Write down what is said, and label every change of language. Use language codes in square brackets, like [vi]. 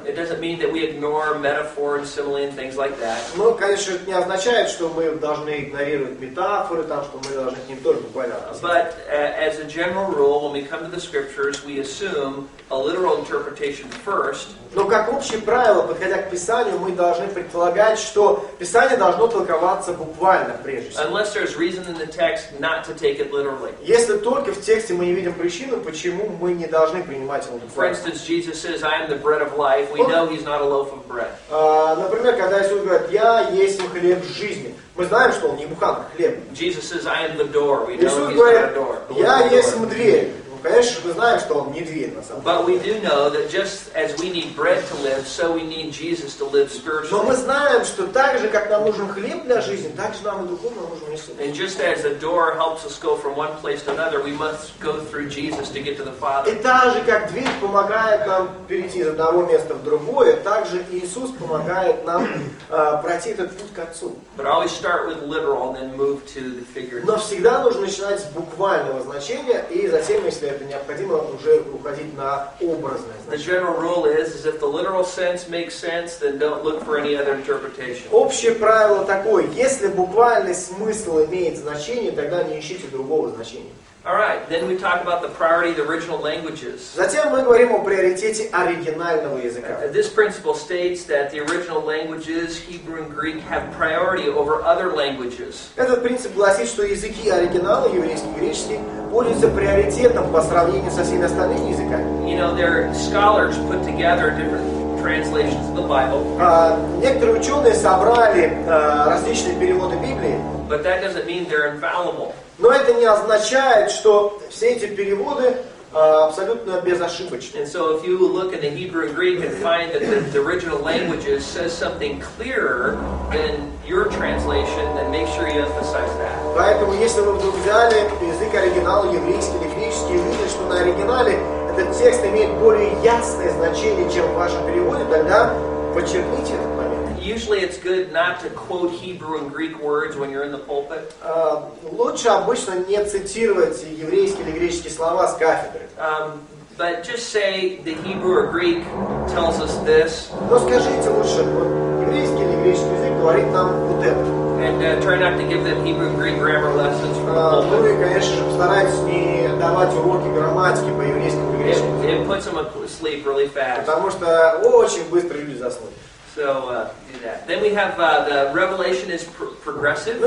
[en] It doesn't mean that we ignore metaphor and simile and things like that. [ru] Но, конечно, это не означает, что мы должны игнорировать метафоры, там, что мы должны к ним тоже буквально относиться. [en] But as a general rule, when we come to the Scriptures, we assume a literal interpretation first. [ru] Но как общее правило, подходя к Писанию, мы должны предполагать, что Писание должно толковаться буквально прежде всего. [en] Unless there's reason in the text not to take it literally. [ru] Если только в тексте мы не видим причину, почему мы не должны принимать его буквально. [en] For instance, Jesus says, "I am the bread of life." We know He's not a loaf of bread. [ru] Например, когда Иисус говорит, "Я есть хлеб жизни." Мы знаем, что Он не буханка хлеба. [en] Jesus says, "I am the door." We know He's not a door. [ru] Я есть дверь. Конечно, мы знаем, что он не дверь, на самом деле. [en] But we do know that just as we need bread to live, so we need Jesus to live spiritually. [ru] Но мы знаем, что так же, как нам нужен хлеб для жизни, так же нам и духовно нужен Иисус. [en] And just as a door helps us go from one place to another, we must go through Jesus to get to the Father. [ru] И так же, как дверь помогает нам перейти из одного места в другое, так же Иисус помогает нам пройти этот путь к Отцу. [en] But always start with literal and then move to the figurative. [ru] Но всегда нужно начинать с буквального значения, и затем, если это необходимо уже уходить на образное значение. [en] The general rule is if the literal sense makes sense, then don't look for any other interpretation. [ru] Общее правило такое: если буквальный смысл имеет значение, тогда не ищите другого значения. [en] All right, then we talk about the priority of the original languages. [ru] Затем мы говорим о приоритете оригинального языка. [en] This principle states that the original languages, Hebrew and Greek, have priority over other languages. [ru] Этот принцип гласит, что языки оригинала, еврейский и греческий, пользуются приоритетом по сравнению со всеми остальными языками. [en] You know, their scholars put together different translations of the Bible. [ru] Некоторые ученые собрали различные переводы Библии. [en] But that doesn't mean they're infallible. [ru] Но это не означает, что все эти переводы абсолютно безошибочны. [en] And so if you look in the Hebrew and Greek and find that the original languages says something clearer than your translation, then make sure you emphasize that. [ru] Поэтому, если вы вдруг взяли язык оригинала, еврейский или греческий, и видите, что на оригинале этот текст имеет более ясное значение, чем в вашем переводе, тогда подчеркните этот момент. [en] Usually it's good not to quote Hebrew and Greek words when you're in the pulpit. [ru] Лучше обычно не цитировать еврейские или греческие слова с кафедры. [en] But just say the Hebrew or Greek tells us this. [ru] Но скажите лучше, еврейский или греческий язык говорит нам вот это. [en] And try not to give them Hebrew and Greek grammar lessons. [ru] Ну и, конечно же, постарайтесь не давать уроки грамматики по еврейскому и греческому. [en] It puts them to sleep really fast. [ru] Потому что очень быстро люди заснут. [en] So, do that. Then we have the revelation is progressive.